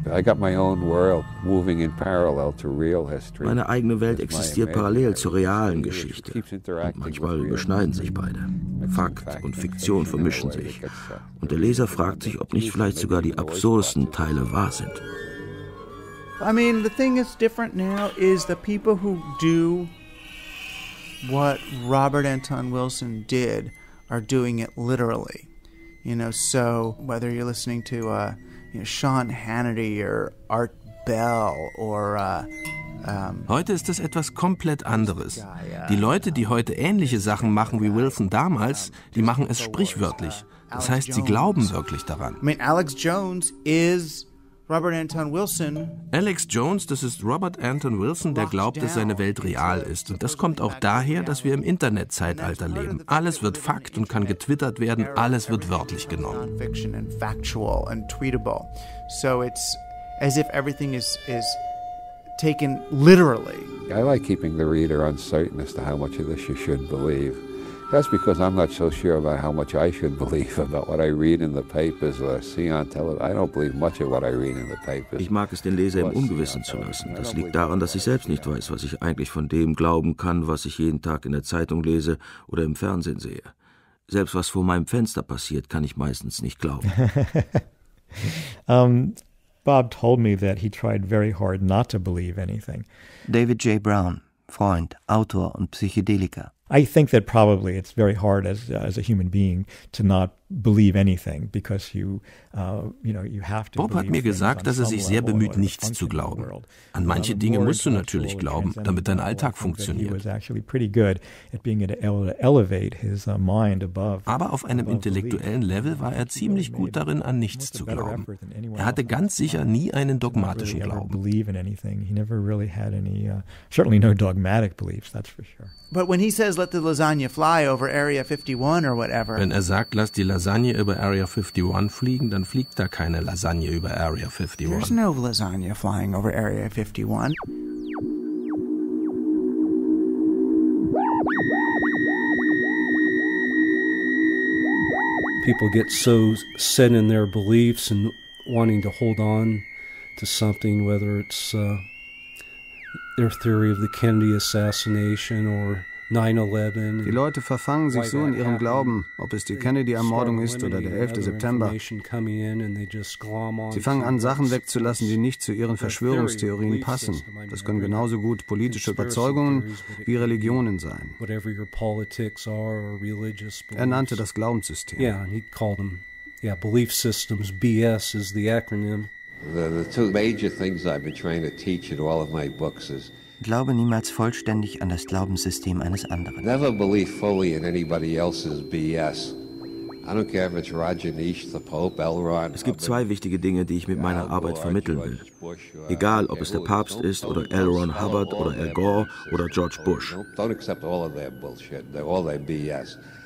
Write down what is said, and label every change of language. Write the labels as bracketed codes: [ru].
[de] Meine eigene Welt existiert parallel zur realen Geschichte. Und manchmal überschneiden sich beide. Fakt und Fiktion vermischen sich. Und der Leser fragt sich, ob nicht vielleicht sogar die absurdesten Teile wahr sind. [en] I mean, the thing that's different now is the people who do what Robert Anton Wilson did are doing it literally. You know, so whether you're listening to Sean Hannity or Art Bell or [de] Heute ist es etwas komplett anderes. Die Leute, die heute ähnliche Sachen machen wie Wilson damals, die machen es sprichwörtlich. Das heißt, sie glauben wirklich daran. [en] I mean, Alex Jones is Robert Anton Wilson. [de] Alex Jones, das ist Robert Anton Wilson, der glaubt, dass seine Welt real ist. Und das kommt auch daher, dass wir im Internetzeitalter leben. Alles wird Fakt und kann getwittert werden. Alles wird wörtlich genommen. [en] So it's as if everything is taken literally. I like keeping the reader uncertain as to how much of this you should believe. That's because I'm not so sure about how much I should believe about what I read in the papers or see on television. I don't believe much of what I read in the papers. [de] Ich mag es, den Leser im Ungewissen zu lassen. Das liegt daran, dass ich selbst nicht weiß, was ich eigentlich von dem glauben kann, was ich jeden Tag in der Zeitung lese oder im Fernsehen sehe. Selbst was vor meinem Fenster passiert, kann ich meistens nicht glauben. [en] Bob told me that he tried very hard not to believe anything. [de] David J. Brown, Freund, Autor und Psychedeliker. [en] I think that probably it's very hard as a human being to not believe anything because you you know you have to. [de] Bob hat mir gesagt, dass er sich sehr bemüht, nichts zu glauben. An manche Dinge musst du natürlich glauben, damit dein Alltag funktioniert. [en] He was actually pretty good at being able to elevate his mind above. [de] Aber auf einem intellektuellen Level war er ziemlich gut darin, an nichts zu glauben. Er hatte ganz sicher nie einen dogmatischen Glauben. [en] Believe in anything. He never really had any certainly no dogmatic beliefs. That's for sure. But when he says let the lasagna fly over Area 51 or whatever. [de] Wenn er sagt, lass die Lasagne über Area 51 fliegen, dann fliegt da keine Lasagne über Area 51. [en] There's no lasagna flying over Area 51. People get so set in their beliefs and wanting to hold on to something, whether it's their theory of the Kennedy assassination or 9/11. [de] Die Leute verfangen sich so in ihrem Glauben, ob es die Kennedy-Ermordung ist oder der 11. September. Sie fangen an, Sachen wegzulassen, die nicht zu ihren Verschwörungstheorien passen. Das können genauso gut politische Überzeugungen wie Religionen sein. Er nannte das Glaubenssystem. Ja, und er nannte es Beliefsystem. BS ist das Akronym. [en] The two major things I've been trying to teach in all of my books is [de] glaube niemals vollständig an das Glaubenssystem eines anderen. [en] Never believe fully in anybody else's BS. I don't care if it's Rajneesh, the Pope, Elrond. [de] Es gibt zwei wichtige Dinge, die ich mit meiner Arbeit vermitteln will. Egal, ob es der Papst ist oder L. Ron Hubbard oder Al Gore oder George Bush. [en] Don't accept all of their bullshit, all their BS.